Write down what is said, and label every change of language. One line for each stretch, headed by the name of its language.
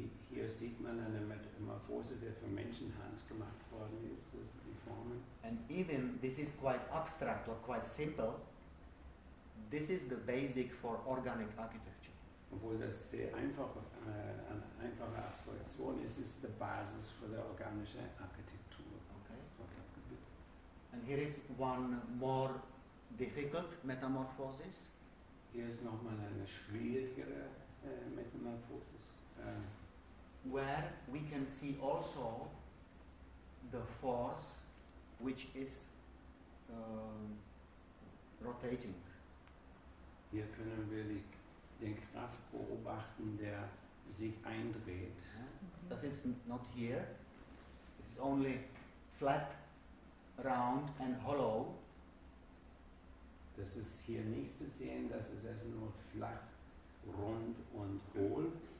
German: Hier sieht man eine Metamorphose, die von Menschenhand gemacht worden ist, also die Formen.
English: And even this is quite abstract or quite simple, this is the basic for organic architecture.
German: Obwohl das sehr einfach, eine einfache Abstraktion ist, ist die Basis für die organische Architektur.
English: Okay. And here is one more difficult metamorphosis.
German: Hier ist nochmal eine schwierigere Metamorphosis.
English: Where we can see also the force which is rotating.
German: Hier können wir den Kraft beobachten, der sich eindreht. Das ist
English: not here. It's only flat, round and hollow.
German: Das ist hier nicht zu sehen, das ist also nur flach, rund und hohl.